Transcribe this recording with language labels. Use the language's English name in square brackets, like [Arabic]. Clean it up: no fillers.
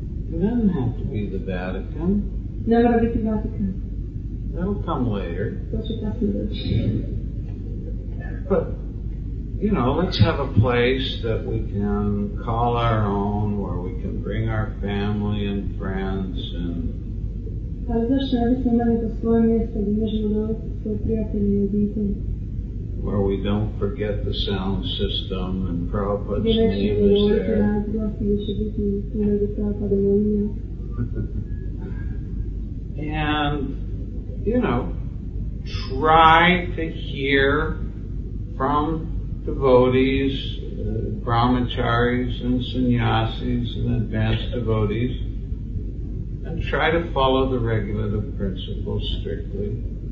[English] It doesn't have to be the Vatican. [Croatian] Ne mora biti Vatikan. [English] That'll come later. That's what happened to us. But, you know, let's have a place that we can call our own, where we can bring our family and friends and... [Croatian] Ali zašto ne bismo imali to svoje mjesto gdje možemo dovesti svoje prijatelje i obitelj? [English] Where we don't forget the sound system and Prabhupada's name is there. And, you know, try to hear from devotees, brahmacharis and sannyasis and advanced devotees, and try to follow the regulative principles strictly.